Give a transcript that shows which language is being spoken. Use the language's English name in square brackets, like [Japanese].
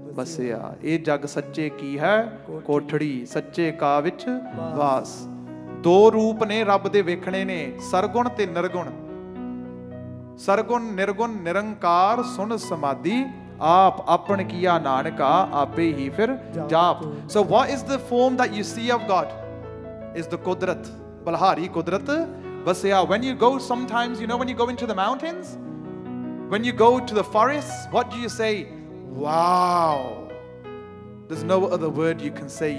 [Punjabi] ਵਸਿਆ ਇਹ ਜੱਗ ਸੱਚੇ ਕੀ ਹੈ ਕੋਠੜੀ ਸੱਚੇ ਕਾ ਵਿੱਚ ਵਾਸ ਦੋ ਰੂਪ ਨੇ ਰੱਬ ਦੇ ਵੇਖਣੇ ਨੇ ਸਰਗੁਣ ਤੇ ਨਿਰਗੁਣ ਸਰਗੁਣ ਨਿਰਗੁਣ ਨਿਰੰਕਾਰ ਸੁਣ ਸਮਾਧੀ आप अपन किया नानका आपे ही फिर जाप. [English] So what is the form that you see of God? Is the kudrat, balhari kudrat. But yeah, when you go sometimes, you know, when you go into the mountains, when you go to the forests, what do you say? Wow. There's no other word you can say.